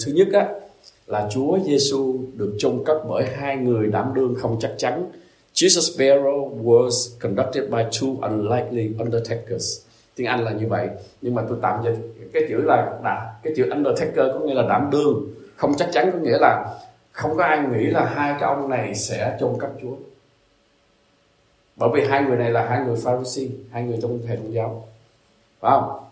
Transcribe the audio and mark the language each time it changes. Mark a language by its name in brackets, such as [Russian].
[Vietnamese] Thứ nhất á, là Chúa Giêsu được chôn cất bởi hai người đảm đương không chắc chắn. [English] Jesus' burial was conducted by two unlikely undertakers. [Vietnamese] Tiếng Anh là như vậy, nhưng mà tôi tạm dịch cái chữ là cái chữ undertaker có nghĩa là đảm đương, không chắc chắn có nghĩa là không có ai nghĩ là hai cái ông này sẽ chôn cất Chúa. Bởi vì hai người này là hai người Pharisee, hai người trong hệ thống giáo. Phải không?